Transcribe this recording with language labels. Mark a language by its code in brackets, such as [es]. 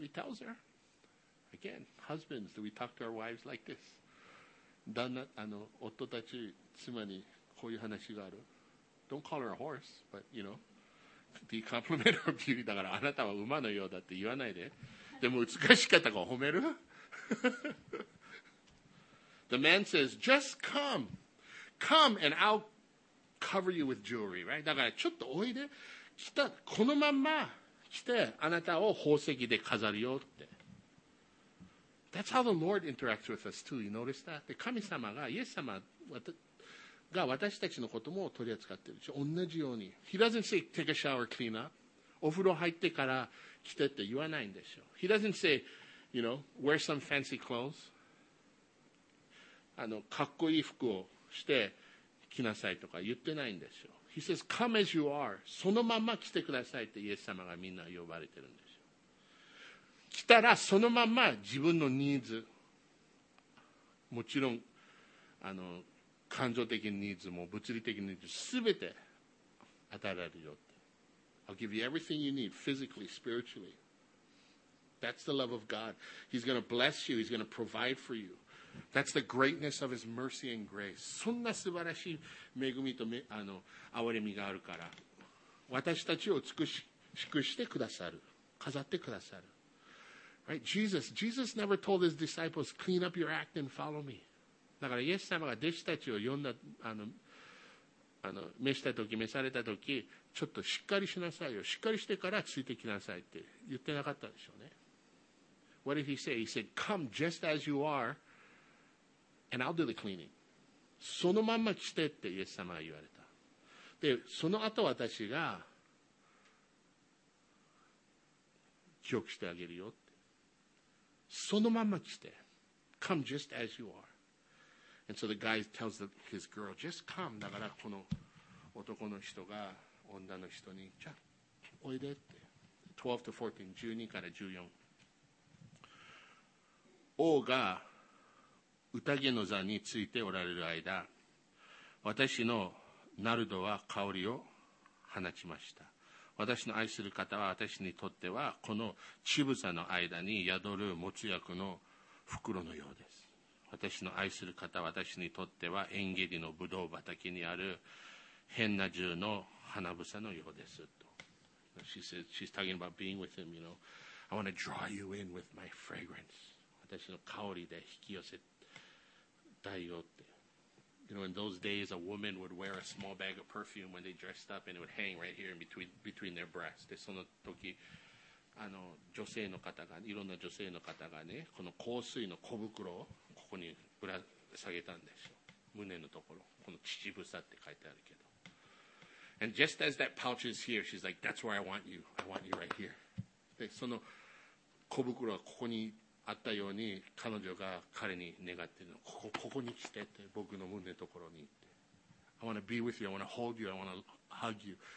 [en] So he tells her. Again, husbands, do we talk to our wives like this? [ja] 旦那、あの、夫たち、妻にこういう話がある。 [en] Don't call her a horse, but you know. Do you compliment her beauty? [ja] だからあなたは馬のようだって言わないで。でも美しかったか褒める? [en] The man says, just come. Come and I'll cover you with jewelry, right? [ja] だからちょっとおいで。来た、このまんま来て、あなたを宝石で飾るよって。 [en] That's how the Lord interacts with us too. You notice that? [ja] で、神様が、イエス様が私たちのことも取り扱ってるし、同じように。 [en] He doesn't say, take a shower, clean up. [ja] お風呂入ってから来てって言わないんでしょ。 [en] He doesn't say, you know, wear some fancy clothes. [ja] あのかっこいい服をして来なさいとか言ってないんですよ。 [en] He says, come as you are. [ja] そのまま来てくださいってイエス様がみんな呼ばれてるんですよ。来たらそのまま自分のニーズ、もちろんあの感情的ニーズも物理的ニーズも全て与えられるよって。 [en] I'll give you everything you need, physically, spiritually. That's the love of God. He's going to bless you. He's going to provide for you. That's the greatness of his mercy and grace. [ja] そんな素晴らしい恵みとあの憐れみがあるから私たちを美しくしてくださる飾ってくださる [en] Right? Jesus never told his disciples clean up your act and follow me. [ja] だからイエス様が弟子たちを呼んだあの召した時召された時ちょっとしっかりしなさいよしっかりしてからついてきなさいって言ってなかったでしょうね [en] What did he say? He said come just as you areAnd I'll do the cleaning. [ja] そのまま来てってイエス様が言われた。で、その後私が清くしてあげるよって。そのまま来て。 [en] Come just as you are. And so the guy tells his girl, just come. [ja] だからこの男の人が女の人に、じゃあおいでって。 12-14。王が宴の座についておられる間、私のナルドは香りを放ちました。私の愛する方は私にとってはこの乳房の間に宿るもつ薬の袋のようです。私の愛する方は私にとってはエンゲリのブドウ畑にある変な銃の花房のようですと。 [en] She says, she's talking about being with him, you know. I want to draw you in with my fragrance. [ja] 私の香りで引き寄せたいよって。 [en] You know, in those days, a woman would wear a small bag of perfume when they dressed up, and it would hang right here in between their breasts. [ja] で、その時、あの、女性の方が、いろんな女性の方がね、この香水の小袋をここにぶら下げたんですよ。胸のところ。この乳房って書いてあるけど。 [en] And just as that pouch is here, she's like, that's where I want you. I want you right here. [ja] で、その小袋はここにあったように、彼女が彼に願っているの、ここに来てって、僕の胸のところに行って。 [en] I want to be with you, I want to hold you, I want to hug you.